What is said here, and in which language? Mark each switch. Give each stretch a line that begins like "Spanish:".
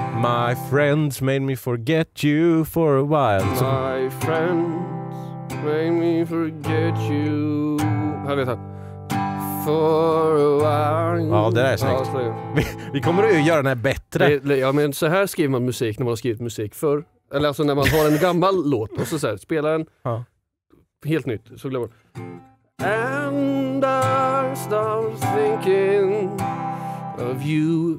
English: My friends made me forget you for a while.
Swedish: Så.
English: My friends made me forget you.
Swedish: Här vet jag.
English: For a while.
Swedish: Ja, det är snyggt. Ja, vi kommer att göra den här bättre. Ja, men så här skriver man musik när man har skrivit musik för. Eller alltså när man har en gammal låt och så här, spelar en helt nytt. Så glömmer man.
English: And I start thinking of you.